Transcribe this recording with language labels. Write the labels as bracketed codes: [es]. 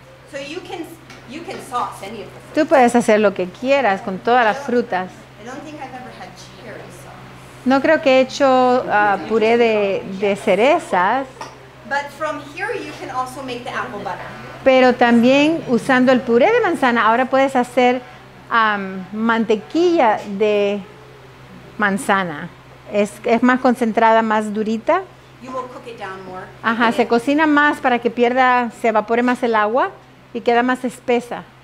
[en] So you can sauce any of the fruits. [es] Tú puedes hacer lo que quieras con todas las frutas. [en] I don't think I've ever had cherry sauce. [es] No creo que he hecho puré de cerezas. [en] But from here you can also make the apple butter. [es] Pero también usando el puré de manzana, ahora puedes hacer mantequilla de manzana. Es más concentrada, más durita. [en] You will cook it down more. [es] Ajá, se cocina más para que se evapore más el agua y queda más espesa.